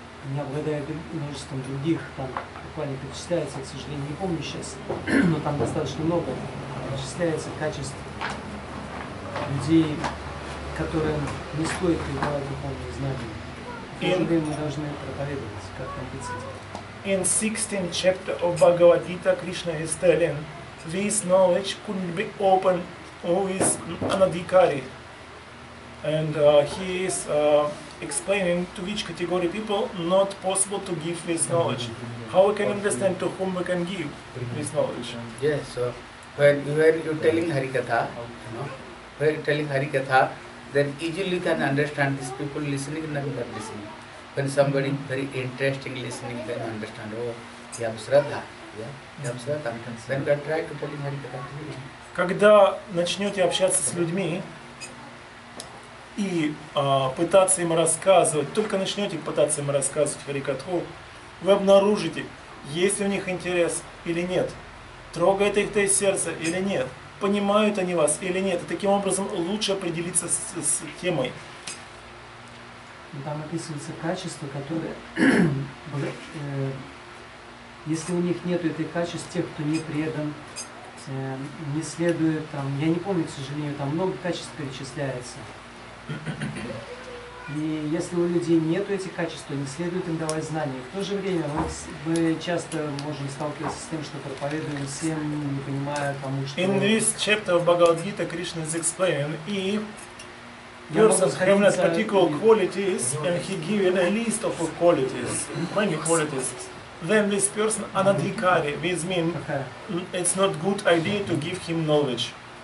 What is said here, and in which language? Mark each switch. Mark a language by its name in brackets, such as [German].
[Russian] не обладая множеством других, там буквально перечисляется, к сожалению, не помню сейчас, но там достаточно много, перечисляется качеств людей, которым не стоит передавать духовные знания. Когда мы должны проповедовать, как там писать? [English] In 16th chapter of Bhagavad Gita, Krishna is telling, this knowledge couldn't be open who is anadhikari. And he is explaining to which category people not possible to give this knowledge. How we can understand to whom we can give this knowledge? Yes, so when you are telling Harikatha, you know, when you're telling Harikatha, then easily you can understand these people listening and not listening. When somebody very interesting listening, then understand, oh, Yamsradha, yeah, Yamsradha, then we try to tell him Harikatha. [Russian] Когда начнете общаться с людьми и пытаться им рассказывать, только начнете пытаться им рассказывать Харикатху, вы обнаружите, есть ли у них интерес или нет, трогает их это сердце или нет, понимают они вас или нет, и таким образом лучше определиться с темой. Там описывается качество, которое, если у них нет этой качеств, тех, кто не предан, не следует, там, я не помню, к сожалению, там много качеств перечисляется. И если у людей нет этих качеств, то не следует им давать знания. В то же время мы часто можем сталкиваться с тем, что проповедуем всем, не понимая тому, что... [English] In this chapter of Bhagavad Gita, Krishna is explaining, if... Persons have not particular qualities, and he given a list of qualities, many qualities. Then this person anadhikari, which means it's not good idea to give him knowledge.